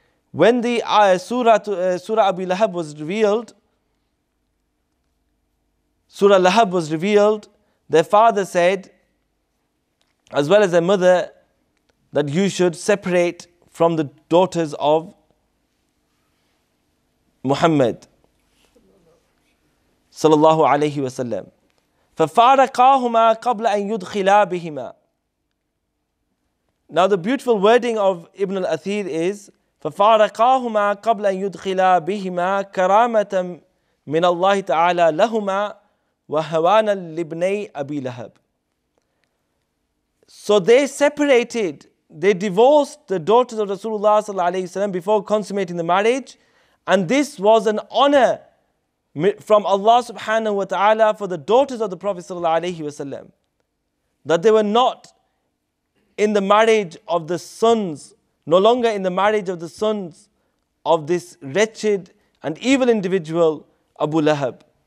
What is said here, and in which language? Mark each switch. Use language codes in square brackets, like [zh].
[en] When the surah Abu Lahab was revealed, Surah Lahab was revealed, their father said, as well as their mother, that you should separate from the daughters of Muhammad sallallahu alayhi wa sallam. [ar] فَفَارَقَاهُمَا قَبْلَ أَن يُدْخِلَا بِهِمَا. [en] Now the beautiful wording of Ibn al-Athir is, [ar] فَفَارَقَاهُمَا قَبْلَ أَن يُدْخِلَا بِهِمَا كَرَامَةً مِنَ اللَّهِ تَعَالَى لَهُمَا وَهَوَانَ لِبْنَيْ أَبِي لَهَبْ. [en] So they separated, they divorced the daughters of Rasulullah sallallahu alayhi wa sallam before consummating the marriage. And this was an honor from Allah subhanahu wa ta'ala for the daughters of the Prophet sallallahu alayhi wa sallam, that they were not in the marriage of the sons, no longer in the marriage of the sons of this wretched and evil individual, Abu Lahab.